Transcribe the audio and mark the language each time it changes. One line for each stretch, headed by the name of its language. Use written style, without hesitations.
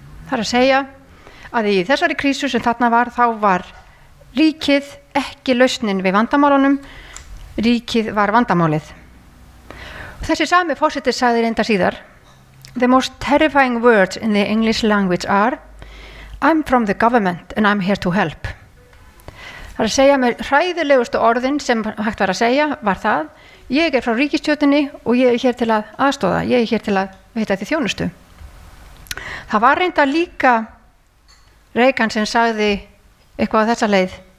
Icelandic: Það að segja að í þessari krísu sem þarna var, þá var ríkið ekki lausnin við vandamálunum, ríkið var vandamálið. Og þessi sami forseti sagði reynda síðar,
English: The most terrifying words in the English language are, I'm from the government and I'm here to help.
Icelandic: Það að segja með hræðilegustu orðin sem hægt var að segja var það, ég frá ríkisstjórninni og ég hér til að aðstoða, ég hér til að veita því þjónustu. Það var reynda líka Reagan sem sagði eitthvað á þessa leið.